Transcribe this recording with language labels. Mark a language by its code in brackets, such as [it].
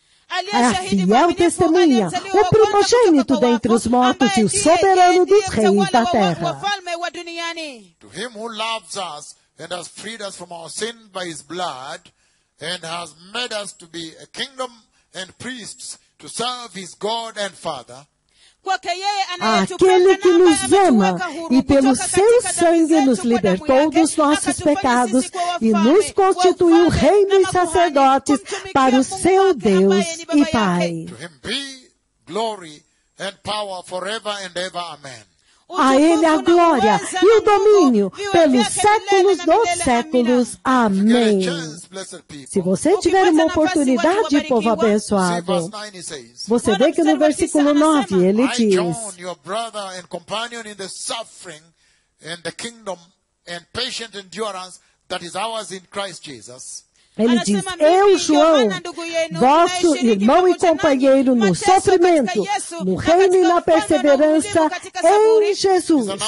[pt] É a fiel testemunha, o primogênito dentre os mortos e o soberano dos reis da terra. [en] To him who loves us and has freed us from our sin by his blood and has made us to be a kingdom and priests to serve his God and Father. [pt] Aquele que nos ama e pelo seu sangue nos libertou dos nossos pecados e nos constituiu reino e sacerdotes para o seu Deus e Pai. [en] To him be glory and power forever and ever. Amen. [pt] a Ele a glória e o domínio pelos séculos dos séculos. Amém. Se você tiver uma oportunidade, povo abençoado, você vê que no versículo 9 ele diz: [en] I, John, your brother and companion in the suffering and the kingdom and patient endurance that is ours in Christ Jesus. [pt] Ele diz: eu, João, vosso irmão e companheiro no sofrimento, no reino e na perseverança em Jesus.